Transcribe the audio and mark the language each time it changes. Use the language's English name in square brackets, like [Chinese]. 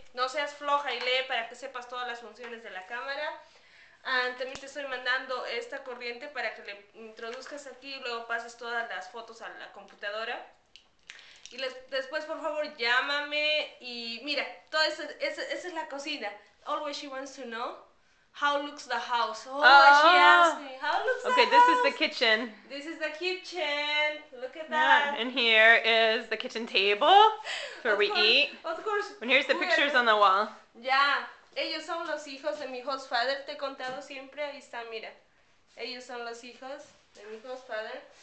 [Spanish] No seas floja y lee para que sepas todas las funciones de la cámara. También te estoy mandando esta corriente para que le introduzcas aquí y luego pases todas las fotos a la computadora. Y después, por favor, llámame y mira, toda esa es la cocina. [English] Always she wants to know how looks the house. Oh, she asked me, how looks the house? Okay, this is the kitchen. This is the kitchen. Look at that. Yeah, and here is the kitchen table where we eat. Of course. And here's the pictures on the wall. Yeah. [Spanish] Ellos son los hijos de mi host father. Te he contado siempre. Ahí está, mira. Ellos son los hijos de mi host father.